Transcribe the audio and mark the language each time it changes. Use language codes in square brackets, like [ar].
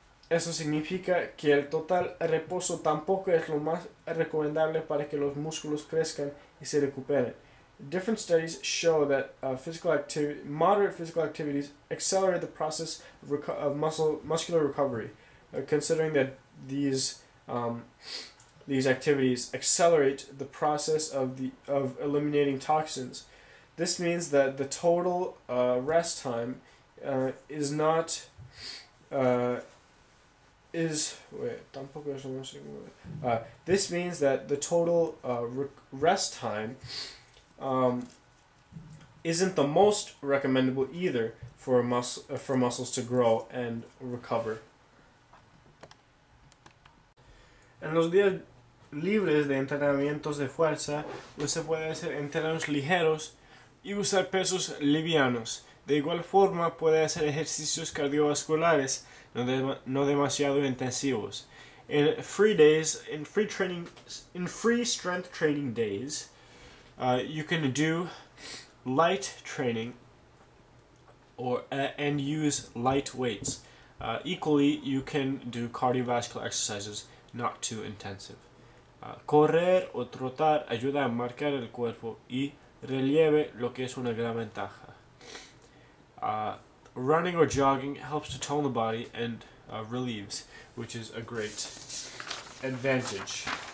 [es] Eso significa que el total reposo tampoco es lo más recomendable para que los músculos crezcan y se recuperen. [en] Different studies show that moderate physical activities accelerate the process of, muscular recovery, considering that these activities accelerate the process of eliminating toxins. This means that the total rest time isn't the most recommendable either for muscles to grow and recover. [es] En los días libres de entrenamientos de fuerza, usted puede hacer entrenos ligeros y usar pesos livianos. De igual forma, puede hacer ejercicios cardiovasculares, no demasiado intensivos. [en] In free strength training days, you can do light training and use light weights. Equally, you can do cardiovascular exercises, not too intensive. [es] Correr o trotar ayuda a marcar el cuerpo y relieve, lo que es una gran ventaja. [en] Running or jogging helps to tone the body and relieves, which is a great advantage.